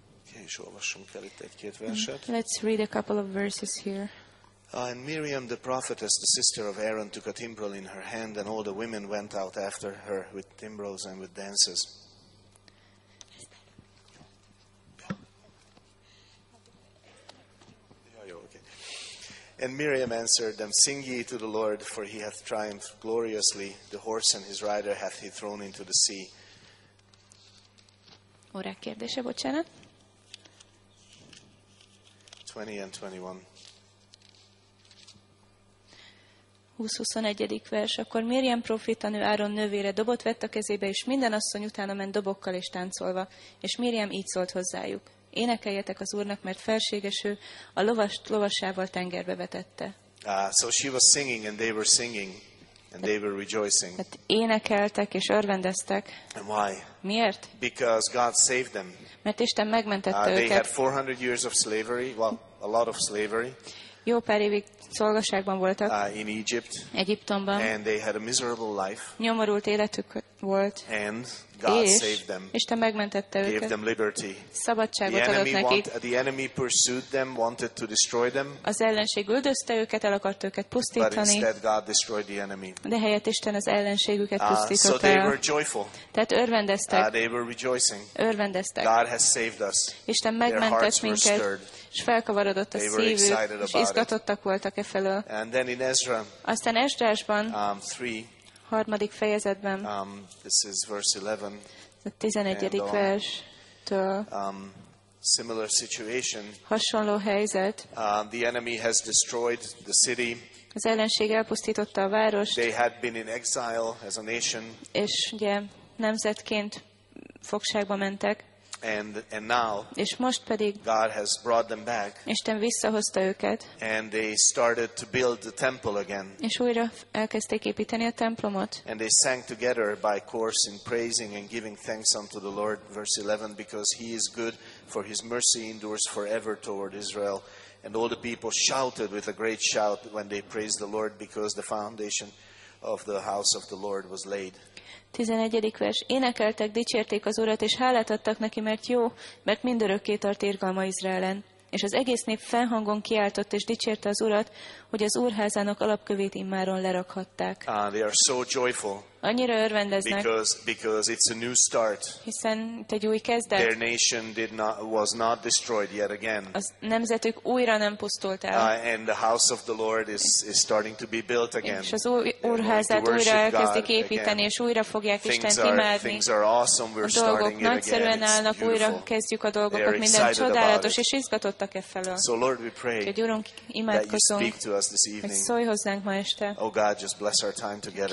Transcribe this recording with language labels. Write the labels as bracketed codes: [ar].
[hu] Okay, és olvassunk el itt egy-két verset. [en] Let's read a couple of verses here. And Miriam the prophetess, the sister of Aaron, took a timbrel in her hand, and all the women went out after her with timbrels and with dances. And Miriam answered them, Sing ye to the Lord, for he hath triumphed gloriously. The horse and his rider hath he thrown into the sea. [hu] Órák kérdése, bocsánat. [en] 20 and 21. [hu] 20-21. vers. Akkor Miriam profétanő Áron nővére dobot vett a kezébe, és minden asszony utána ment dobokkal és táncolva. És Miriam így szólt hozzájuk. Énekeljetek az Úrnak, mert felséges ő a lovasával tengerbe vetette. [en] So she was singing and they were singing and they were rejoicing. [hu] Hát énekeltek és örvendeztek. [en] And why? [hu] Miért? [en] Because God saved them. [hu] Mert Isten megmentette [en] they [hu] őket. [en] They had 400 years of slavery, well, a lot of slavery. [hu] Jó pár évig szolgaságban voltak. [en] In Egypt. [hu] Egyiptomban. [en] And they had a miserable life. [hu] Nyomorult életük volt. [en] And God saved them. [hu] Isten megmentette [en] gave [hu] őket. [en] Gave them liberty. [hu] Szabadságot [en] the [hu] adott nekik. [en] The enemy pursued them, wanted to destroy them. [hu] Az ellenség üldözte őket, el akart őket pusztítani. [en] But instead God destroyed the enemy. [hu] De helyett Isten az ellenségüket pusztította. [en] So they were joyful. [hu] Tehát örvendeztek. [en] They were rejoicing. [hu] Örvendeztek. [en] God has saved us. [hu] Isten megmentett minket. És felkavarodott a szívük, és izgatottak voltak e felől. Aztán Esdrásban, harmadik fejezetben, [en] this is verse 11, [hu] a 11. verstől, [en] similar situation, [hu] hasonló helyzet, [en] the enemy has destroyed the city, [hu] az ellenség elpusztította a várost, [en] they had been in exile as a nation, [hu] és ugye nemzetként fogságba mentek, [en] And now, [hu] és most pedig [en] God has brought them back, [hu] Isten visszahozta őket, [en] and they started to build the temple again, [hu] és újra elkezdték építeni a templomot. [en] And they sang together by chorus in praising and giving thanks unto the Lord, verse 11, because he is good, for his mercy endures forever toward Israel. And all the people shouted with a great shout when they praised the Lord, because the foundation of the house of the Lord was laid. [hu] 11. vers. Énekeltek, dicsérték az Urat, és hálát adtak neki, mert jó, mert mindörökké tart irgalma Izraelen. És az egész nép fennhangon kiáltott, és dicsérte az Urat, hogy az Úrházának alapkövét immáron lerakhatták. [en] They are so joyful. [hu] Annyira örvendeznek. [en] Because it's a new start. [hu] Hiszen itt egy új kezdet. [en] Their nation was not destroyed yet again. [hu] A nemzetük újra nem pusztult el. [en] And the house of the Lord is starting to be built again. [hu] És az Úrházát újra elkezdik építeni, és újra fogják Istent imádni. [en] Things are awesome. We're [hu] a dolgok nagyszerűen [en] again. [hu] Állnak, [en] it's beautiful. [hu] Újra kezdjük a dolgokat, minden csodálatos, és izgatottak e felől. [en] So Lord, we pray [hu] hogy Urunk, imádkozunk, [en] that you speak to us this evening. [hu] Hogy szólj hozzánk ma este. [en] Oh God, just bless our time together.